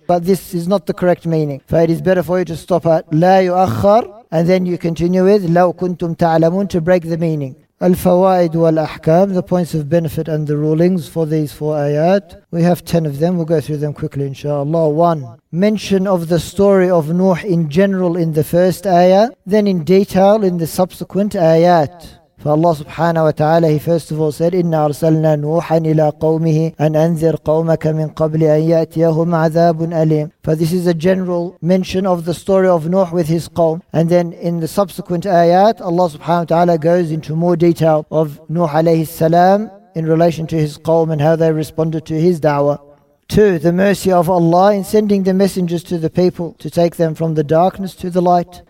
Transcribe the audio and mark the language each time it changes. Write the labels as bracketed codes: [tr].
[en] But this is not the correct meaning. For it is better for you to stop at [ar] لَا يُؤَخَّرُ, [en] and then you continue with [ar] لَوْ كُنْتُمْ تَعْلَمُونَ [en] to break the meaning. [ar] الفوائد والأحكام, [en] the points of benefit and the rulings for these four ayat. We have 10 of them, we'll go through them quickly inshallah. 1. Mention of the story of Nuh in general in the first ayah, then in detail in the subsequent ayat. For Allah subhanahu wa ta'ala, He first of all said, [ar] إِنَّا أَرْسَلْنَا نُوحًا إِلَىٰ قَوْمِهِ أَنْ أَنْذِرْ قَوْمَكَ مِنْ قَبْلِ أَنْ يَأْتِيَهُمْ عَذَابٌ أَلِيمٌ. [en] For this is a general mention of the story of Nuh with his qawm. And then in the subsequent ayat, Allah subhanahu wa ta'ala goes into more detail of Nuh alayhi salam in relation to his qawm and how they responded to his da'wah. 2. The mercy of Allah in sending the messengers to the people to take them from the darkness to the light.